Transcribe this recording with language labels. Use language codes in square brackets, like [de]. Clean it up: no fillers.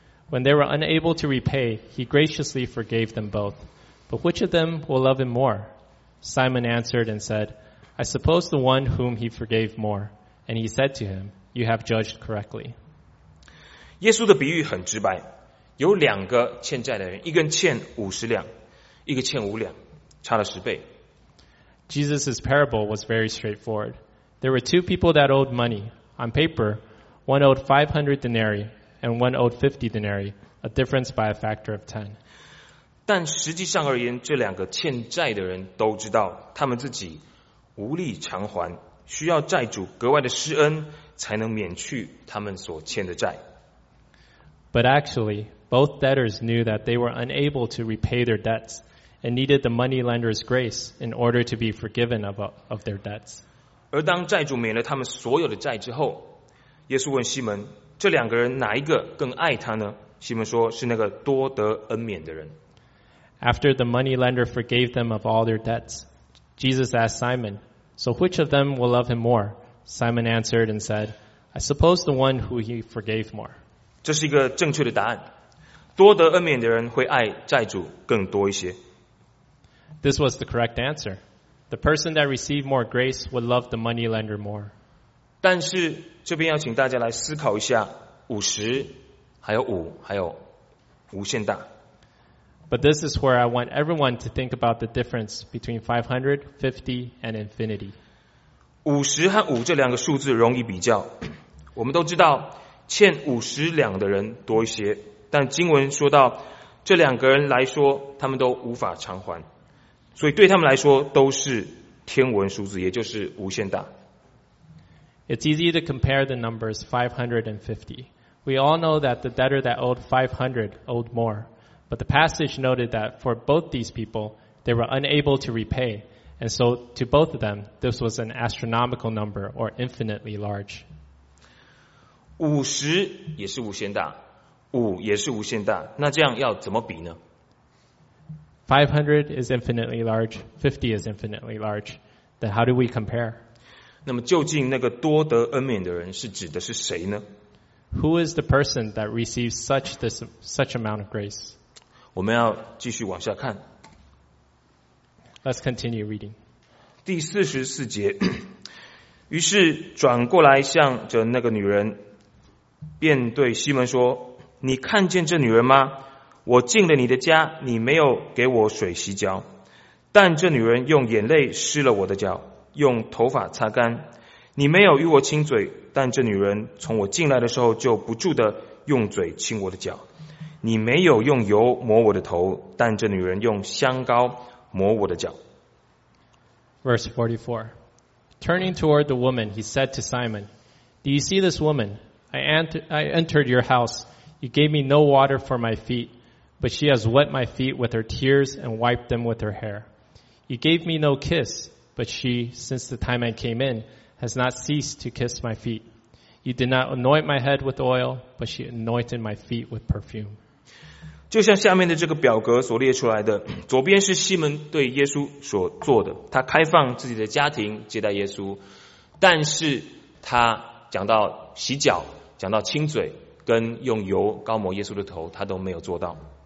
[en] When they were unable to repay, he graciously forgave them both. But which of them will love him more? Simon answered and said, I suppose the one whom he forgave more. And he said to him, You have judged correctly. [zh] 耶稣的比喻很直白，有两个欠债的人，一个欠五十两，一个欠五两，差了十倍。 [en] Jesus' parable was very straightforward. There were two people that owed money. On paper, one owed 500 denarii and one owed 50 denarii, a difference by a factor of 10. [zh] 但实际上而言，这两个欠债的人都知道他们自己无力偿还，需要债主格外的施恩才能免去他们所欠的债。 [en] But actually, both debtors knew that they were unable to repay their debts and needed the money lender's grace in order to be forgiven of their debts. [zh] 而当债主免了他们所有的债之后，耶稣问西门，这两个人哪一个更爱他呢？西门说，是那个多得恩免的人。 [en] After the money lender forgave them of all their debts, Jesus asked Simon, So which of them will love him more? Simon answered and said, I suppose the one who he forgave more. [zh] 这是一个正确的答案。多得恩免的人会爱债主更多一些。 [en] This was the correct answer. The person that received more grace would love the money lender more. [zh] 但是这边要请大家来思考一下，五十，还有五，还有无限大。 [en] But this is where I want everyone to think about the difference between 500, 50 and infinity. [zh] 五十和五这两个数字容易比较。我们都知道欠五十两的人多一些，但经文说到这两个人来说，他们都无法偿还，所以对他们来说都是天文数字，也就是无限大。 [en] It's easy to compare the numbers 550. We all know that the debtor that owed 500 owed more. But the passage noted that for both these people, they were unable to repay. And so to both of them, this was an astronomical number or infinitely large. [zh] 五十也是无限大，五也是无限大，那这样要怎么比呢？ [en] 500 is infinitely large, 50 is infinitely large. Then how do we compare? [zh] 那么究竟那个多得恩免的人是指的是谁呢？ [en] Who is the person that receives such amount of grace? [zh] 我们要继续往下看。 [en] Let's continue reading. [zh] 第四十四节，于是转过来向着那个女人，便对西门说，你看见这女人吗？我进了你的家，你没有给我水洗脚，但这女人用眼泪湿了我的脚，用头发擦干。你没有与我亲嘴，但这女人从我进来的时候就不住地用嘴亲我的脚。你没有用油抹我的头，但这女人用香膏抹我的脚。 [en] Verse 44. Turning toward the woman, he said to Simon, Do you see this woman? I entered your house. You gave me no water for my feet, but she has wet my feet with her tears and wiped them with her hair. You gave me no kiss, but she, since the time I came in, has not ceased to kiss my feet. You did not anoint my head with oil, but she anointed my feet with perfume. [zh] 就像下面的这个表格所列出来的，左边是西门对耶稣所做的，他开放自己的家庭接待耶稣，但是他讲到洗脚，讲到亲嘴，跟用油膏抹耶稣的头，他都没有做到。